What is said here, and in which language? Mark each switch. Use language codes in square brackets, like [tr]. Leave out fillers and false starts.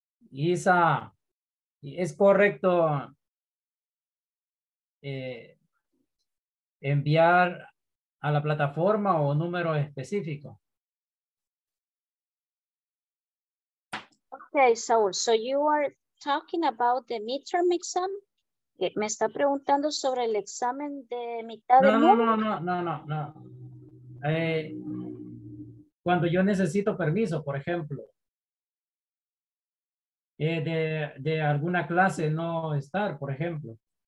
[es] Isa, ¿es correcto enviar a la plataforma o número específico? [en] Okay, Saul, so you are talking about the midterm exam? [es] Me está preguntando sobre el examen de mitad de año. No. Cuando yo necesito permiso, por ejemplo, de alguna clase no estar, por ejemplo.